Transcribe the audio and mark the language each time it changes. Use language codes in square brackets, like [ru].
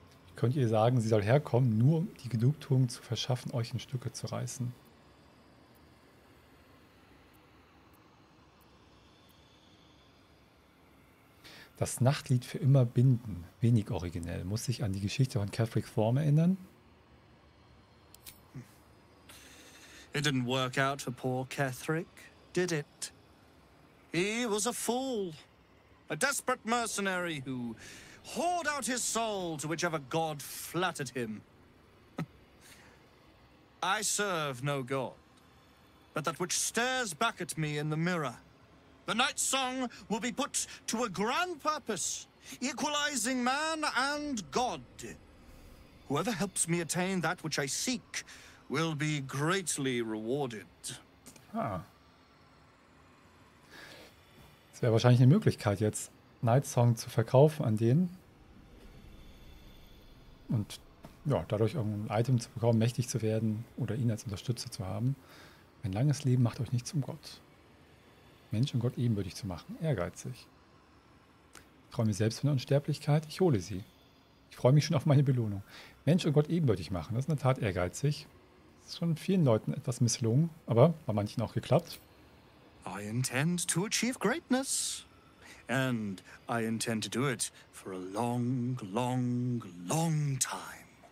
[de] Ich könnte ihr sagen, sie soll herkommen, nur um die Genugtuung zu verschaffen, euch in Stücke zu reißen. Das Nachtlied für immer binden, wenig originell, muss sich an die Geschichte von Catherick Form erinnern. [en] It didn't work out for poor Catherick, did it? He was a fool, a desperate mercenary who whored out his soul to whichever god flattered him. I serve no god, but that which stares back at me in the mirror. The night song will be put to a grand purpose, equalizing man and God. Whoever helps me attain that which I seek will be greatly rewarded. Ah. [de] Es wäre wahrscheinlich eine Möglichkeit, jetzt Night Song zu verkaufen an denen. Und ja, dadurch irgendein Item zu bekommen, mächtig zu werden oder ihn als Unterstützer zu haben. Ein langes Leben macht euch nicht zum Gott. Mensch und Gott ebenbürtig zu machen. Ehrgeizig. Ich träume selbst von der Unsterblichkeit. Ich hole sie. Ich freue mich schon auf meine Belohnung. Mensch und Gott ebenbürtig machen. Das ist in der Tat ehrgeizig. Das ist schon vielen Leuten etwas misslungen, aber bei manchen auch geklappt. [en] I intend to achieve greatness. And I intend to do it for a long, long, long time.